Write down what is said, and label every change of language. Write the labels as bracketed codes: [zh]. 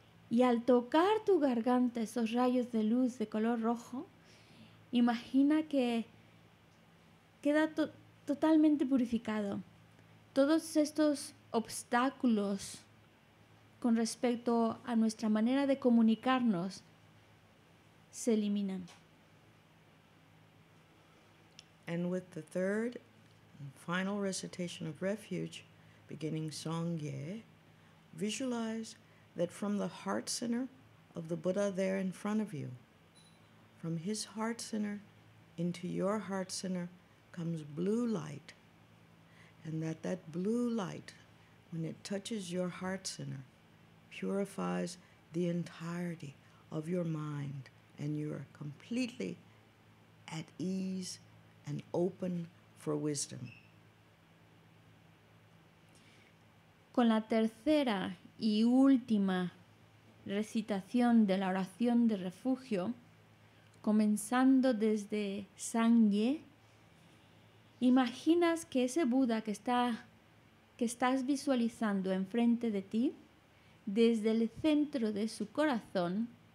[es] Y al tocar tu garganta esos rayos de luz de color rojo, imagina que queda totalmente purificado. Todos estos obstáculos con respecto a nuestra manera de comunicarnos se eliminan. [en] And with the third and final recitation of refuge, beginning Songye, visualize that from the heart center of the Buddha there in front of you, from his heart center into your heart center comes blue light, and that blue light, when it touches your heart center, purifies the entirety of your mind, and you are completely at ease and open for wisdom. [es] Con la tercera y última recitación de la oración de refugio, comenzando desde Sangye, imaginas que ese Buda que estás visualizando enfrente de ti, desde el centro de su corazón,